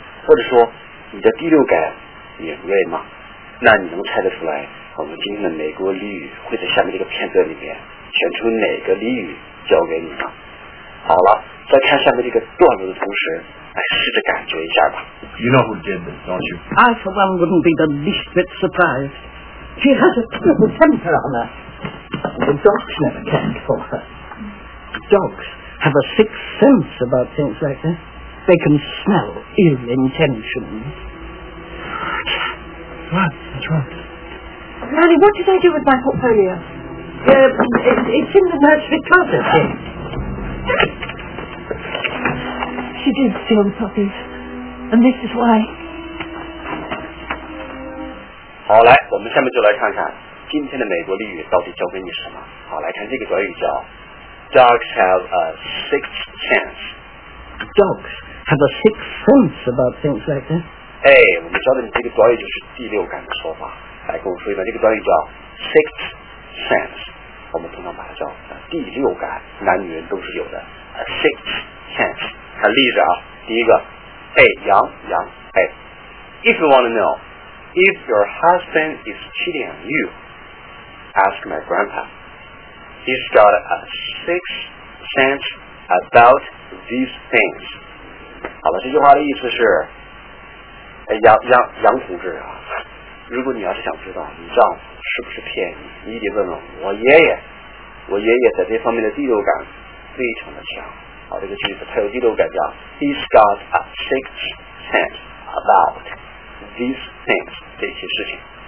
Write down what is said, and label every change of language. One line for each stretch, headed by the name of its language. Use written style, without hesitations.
Chinese: 或者说，你的第六感敏锐吗？那你能猜得出来，我们今天的美国俚语会在下面这个片段里面选出哪个俚语交给你吗？好了，在看下面这个段子的同时。
English: You know who did this, don't you? I, for one, wouldn't be the least bit surprised. She has a terrible temper on her. The dogs never cared for her. Dogs have a sixth sense about things like that. They can smell ill intentions. What's wrong? Manny, what did I do with my portfolio? It's in the nursery closet. She did steal the puppies, and this is why.
Chinese: 好，来，我们下面就来看看今天的美国俚语到底教给你什么。好，来看这个短语叫
English: "Dogs have a sixth sense." Dogs have a sixth sense about things like that.
Chinese: 哎，我们教的你这个短语就是第六感的说法。来，跟我说一遍，这个短语叫 sixth sense， 我们通常把它叫第六感，男女人都是有的 ，a sixth sense。看例子啊，第一个，哎，杨，哎
English: ，If you want to know if your husband is cheating on you, ask my grandpa. He's got a sixth sense about these things.
Chinese: 好了，这句话的意思是，哎，杨同志啊，如果你要是想知道你丈夫是不是骗你，你得问问我爷爷。我爷爷在这方面的第六感非常的强。好，这个句子它有第六感叫
English: He's got a sixth sense about these things
Chinese: 这些事情。